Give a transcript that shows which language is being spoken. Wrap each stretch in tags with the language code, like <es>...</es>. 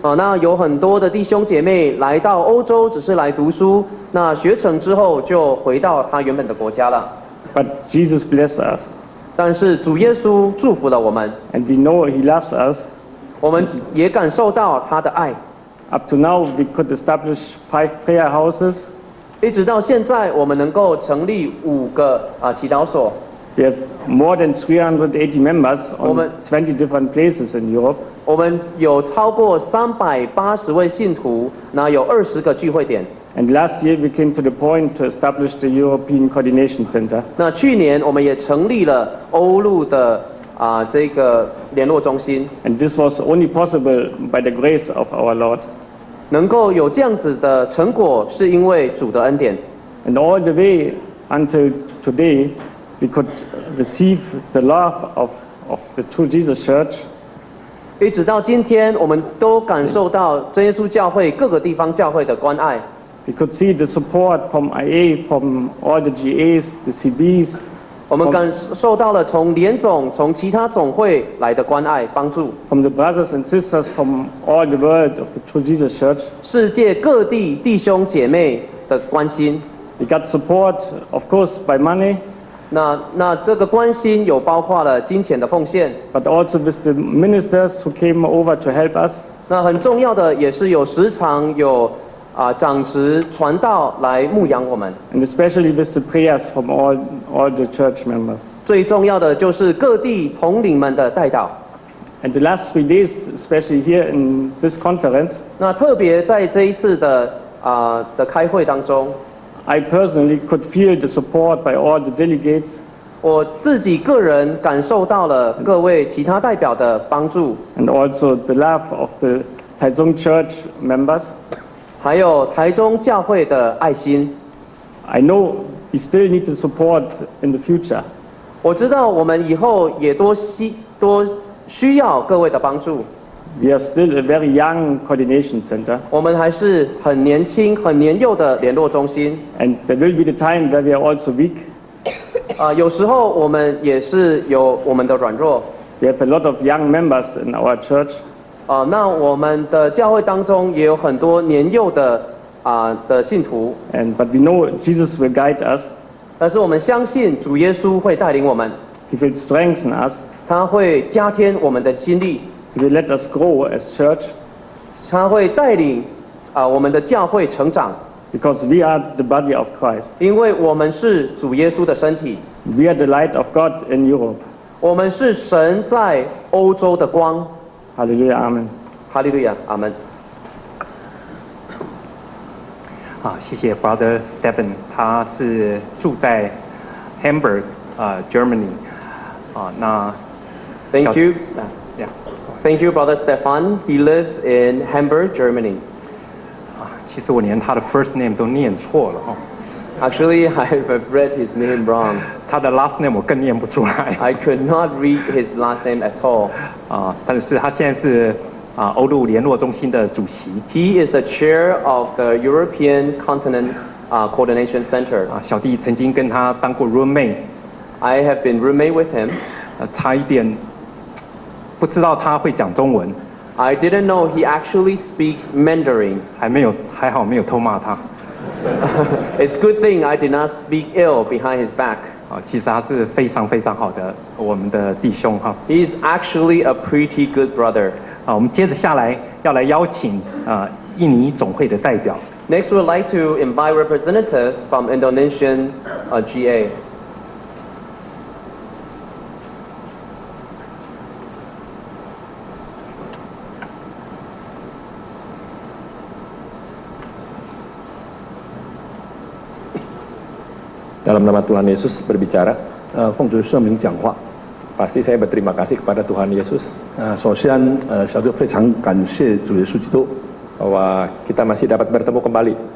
<zh>那有很多的弟兄姐妹来到欧洲只是来读书，那学成之后就回到他原本的国家了。</zh> <en>But Jesus bless us.</en> <zh>但是主耶稣祝福了我们。</zh> <en>And we know He loves us.</en> <zh>我们也感受到他的爱。</zh> <en>Up to now, we could establish 5 prayer houses.</en> <zh>一直到现在，我们能够成立5个祈祷所。</zh> <en>We have more than 380 members on 20 different places in Europe.</en> <zh>我们有超过380位信徒，那有20个聚会点。</zh> <en>And last year we came to the point to establish the European Coordination Center.</en> <zh>那去年我们也成立了欧陆的这个联络中心。</zh> <en>And this was only possible by the grace of our Lord.</en> <zh>能够有这样子的成果，是因为主的恩典。</zh> <en>And all the way until today. We could receive the love of the True Jesus Church.</en> <zh>一直到今天，我们都感受到真耶稣教会各个地方教会的关爱。</zh> <en>We could see the support from IA, from all the GAs, the CBs.</en> <zh>我们感受到了从联总、从其他总会来的关爱帮助。</zh> <en>From the brothers and sisters from all the world of the True Jesus Church.</en> <zh>世界各地弟兄姐妹的关心。</zh> <en>We got support, of course, by money.</en> <zh>那这个关心有包括了金钱的奉献</zh> <en>，but also with the ministers who came over to help us。</en> <zh>那很重要的也是有时常有长职传道来牧养我们</zh> <en>，and especially with the prayers from all the church members。</en> <zh>最重要的就是各地统领们的带导</zh> <en>，and the last 3 days, especially here in this conference。</en> <zh>那特别在这一次的开会当中。</zh> <en>I personally could feel the support by all the delegates.</en> <zh>我自己个人感受到了各位其他代表的帮助。</zh> <en>And also the love of the Taizong Church members.</en> <zh>还有台中教会的爱心。</zh> <en>I know we still need the support in the future.</en> <zh>我知道我们以后也多需要各位的帮助。</zh> <en>We are still a very young coordination center.</en> <zh>我们还是很年轻、很年幼的联络中心。</zh> <en>And there will be the time where we are also weak.</en> <zh>有时候我们也是有我们的软弱。</zh> <en>We have a lot of young members in our church.</en> <zh>那我们的教会当中也有很多年幼的的信徒。</zh> <en>And but we know Jesus will guide us.</en> <zh>但是我们相信主耶稣会带领我们。</zh> <en>He will strengthen us.</en> <zh>他会加添我们的心力。</zh> <en>He will let us grow as church.</en> <zh>他会带领我们的教会成长。</zh> <en>Because we are the body of Christ.</en> <zh>因为我们是主耶稣的身体。</zh> <en>We are the light of God in Europe.</en> <zh>我们是神在欧洲的光。</zh> <en>Hallelujah, Amen. Hallelujah, Amen.</en> <zh>好，谢谢 Brother Stephen. 他是住在 Hamburg, Germany. 那</zh> <en>Thank you. Thank you, Brother Stefan. He lives in Hamburg, Germany.</en> <zh>其实我连他的 first name 都念错了哈。</zh> <en>Actually, I've read his name wrong.</en> <zh>他的 last name 我更念不出来。</zh> <en>I could not read his last name at all.</en> <zh>但是他现在是欧陆联络中心的主席。</zh> <en>He is the chair of the European Continent Coordination Center.</en> <zh>小弟曾经跟他当过 roommate.</zh> <en>I have been roommate with him.</en> <zh>差一点不知道他会讲中文。</zh> <en>I didn't know he actually speaks Mandarin.</en> <zh>还好没有偷骂他。</zh> <en>It's good thing I did not speak ill behind his back.</en> <zh>其实他是非常非常好的我们的弟兄。</zh> <en>He's actually a pretty good brother.</en> <zh>我们接着下来要来邀请印尼总会的代表。</zh> <en>Next, we'd like to invite representative from Indonesian GA.</en> <id>Dalam nama Tuhan Yesus berbicara.</id> <zh>奉主圣名讲话。</zh> <id>Pasti saya berterima kasih kepada Tuhan Yesus.</id> <zh>首先，小弟非常感谢主耶稣基督。</zh> <id>Bahwa kita masih dapat bertemu kembali.</id>